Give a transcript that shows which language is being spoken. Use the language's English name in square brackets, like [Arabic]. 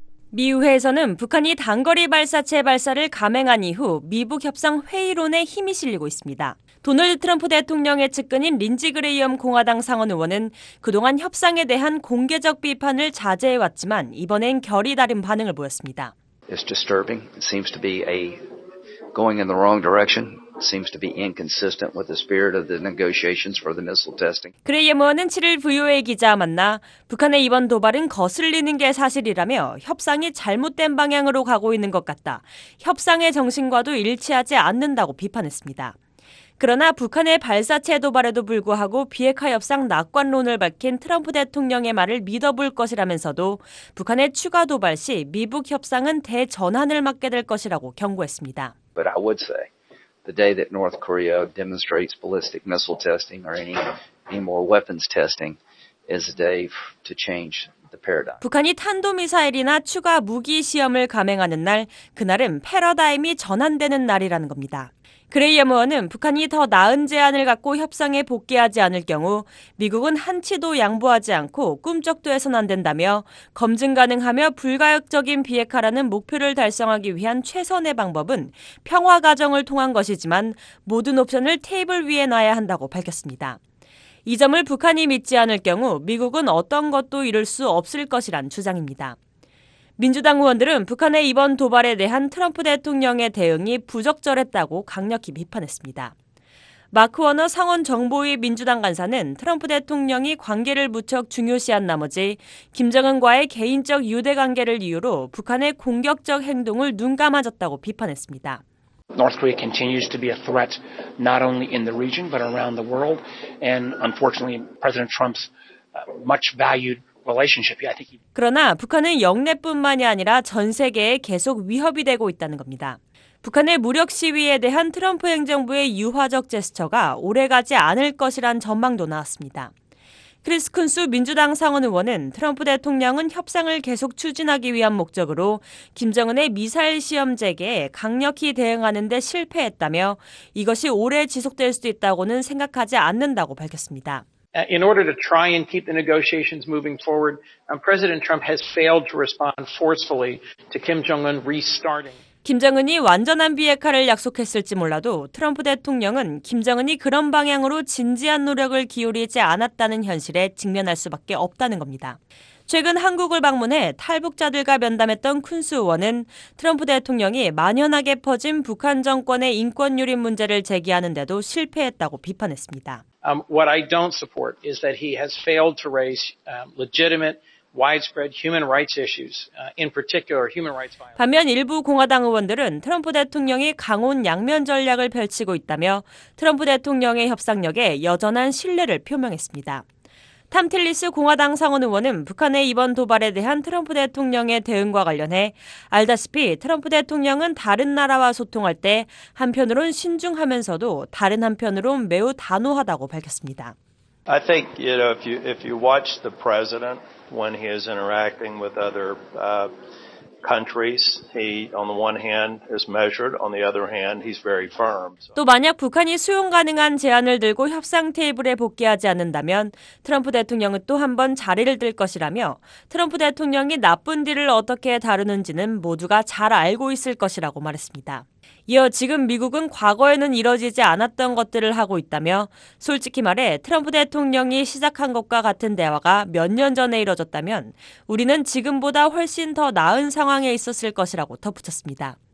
[Korean] 미 의회에서는 북한이 단거리 발사체 발사를 감행한 이후 미북 협상 회의론에 힘이 실리고 있습니다. 도널드 트럼프 대통령의 측근인 린지 그레이엄 공화당 상원 의원은 그동안 협상에 대한 공개적 비판을 자제해왔지만 이번엔 결이 다른 반응을 보였습니다. [English] It's disturbing. It seems to be a going in the wrong direction. Seems to be inconsistent with the spirit of the negotiations for the missile testing. [Korean] 그레이엄 의원은 7일 VOA 기자와 만나 북한의 이번 도발은 거슬리는 게 사실이라며 협상이 잘못된 방향으로 가고 있는 것 같다. 협상의 정신과도 일치하지 않는다고 비판했습니다. 그러나 북한의 발사체 도발에도 불구하고 비핵화 협상 낙관론을 밝힌 트럼프 대통령의 말을 믿어볼 것이라면서도 북한의 추가 도발 시 미북 협상은 대전환을 맞게 될 것이라고 경고했습니다. [English] But I would say the day that North Korea demonstrates ballistic missile testing or any more weapons testing is a day to change. [Korean] 북한이 탄도미사일이나 추가 무기 시험을 감행하는 날, 그날은 패러다임이 전환되는 날이라는 겁니다. 그레이엄 의원은 북한이 더 나은 제안을 갖고 협상에 복귀하지 않을 경우 미국은 한치도 양보하지 않고 꿈쩍도 해서는 안 된다며 검증 가능하며 불가역적인 비핵화라는 목표를 달성하기 위한 최선의 방법은 평화 과정을 통한 것이지만 모든 옵션을 테이블 위에 놔야 한다고 밝혔습니다. 이 점을 북한이 믿지 않을 경우 미국은 어떤 것도 이룰 수 없을 것이란 주장입니다. 민주당 의원들은 북한의 이번 도발에 대한 트럼프 대통령의 대응이 부적절했다고 강력히 비판했습니다. 마크 워너 상원 정보위 민주당 간사는 트럼프 대통령이 관계를 무척 중요시한 나머지 김정은과의 개인적 유대 관계를 이유로 북한의 공격적 행동을 눈감아졌다고 비판했습니다. [English] North Korea continues to be a threat not only in the region but around the world and unfortunately President Trump's much valued relationship. I think [Korean] 그러나 북한은 영내뿐만이 아니라 전 세계에 계속 위협이 되고 있다는 겁니다. 북한의 무력 시위에 대한 트럼프 행정부의 유화적 제스처가 오래 가지 않을 것이란 전망도 나왔습니다. 크리스 쿤스 민주당 상원 의원은 트럼프 대통령은 협상을 계속 추진하기 위한 목적으로 김정은의 미사일 시험 재개에 강력히 대응하는 데 실패했다며 이것이 오래 지속될 수도 있다고는 생각하지 않는다고 밝혔습니다. [English] In order to try and keep the negotiations moving forward, President Trump has failed to respond forcefully to Kim Jong-un restarting. [Korean] 김정은이 완전한 비핵화를 약속했을지 몰라도 트럼프 대통령은 김정은이 그런 방향으로 진지한 노력을 기울이지 않았다는 현실에 직면할 수밖에 없다는 겁니다. 최근 한국을 방문해 탈북자들과 면담했던 쿤스 의원은 트럼프 대통령이 만연하게 퍼진 북한 정권의 인권 유린 문제를 제기하는데도 실패했다고 비판했습니다. [English] What I don't support is that he has failed to raise legitimate widespread human rights issues, in particular human rights violations. [Korean] 반면 일부 공화당 의원들은 트럼프 대통령이 강온 양면 전략을 펼치고 있다며 트럼프 대통령의 협상력에 여전한 신뢰를 표명했습니다. 탐 틸리스 공화당 상원 의원은 북한의 이번 도발에 대한 트럼프 대통령의 대응과 관련해 알다시피 트럼프 대통령은 다른 나라와 소통할 때 한편으론 신중하면서도 다른 한편으론 매우 단호하다고 밝혔습니다. [English] I think, you know, if you watch the president when he is interacting with other countries, he on the one hand is measured, on the other hand he's very firm. [Korean] 또 만약 북한이 수용 가능한 제안을 들고 협상 테이블에 복귀하지 않는다면 트럼프 대통령은 또 한번 자리를 뜰 것이라며 트럼프 대통령이 나쁜 딜을 어떻게 다루는지는 모두가 잘 알고 있을 것이라고 말했습니다. 이어 지금 미국은 과거에는 이뤄지지 않았던 것들을 하고 있다며 솔직히 말해 트럼프 대통령이 시작한 것과 같은 대화가 몇 년 전에 이뤄졌다면 우리는 지금보다 훨씬 더 나은 상황에 있었을 것이라고 덧붙였습니다.